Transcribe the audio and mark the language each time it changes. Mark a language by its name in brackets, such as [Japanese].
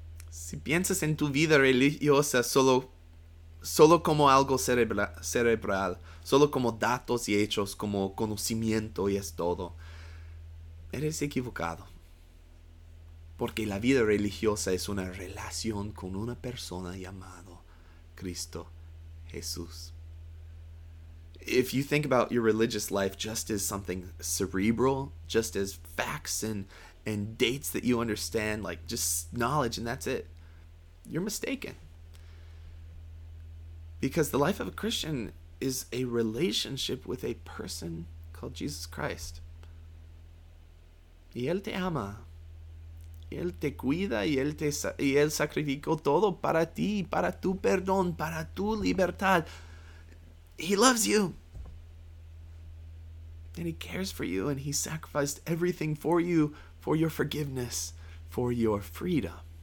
[Spanish] Si piensas en tu vida religiosa solo como algo cerebral, solo como datos y hechos, como conocimiento y es todo, eres equivocado. Porque la vida religiosa es una relación con una persona llamado Cristo Jesús. [English] If you think about your religious life just as something cerebral, just as facts and dates that you understand, like just knowledge and that's it, you're mistaken. Because the life of a Christian is a relationship with a person called Jesus Christ. [Spanish] Y Él te ama. Y Él te cuida y él sacrificó todo para ti, para tu perdón, para tu libertad. [English] He loves you. And He cares for you, and He sacrificed everything for you, for your forgiveness, for your freedom.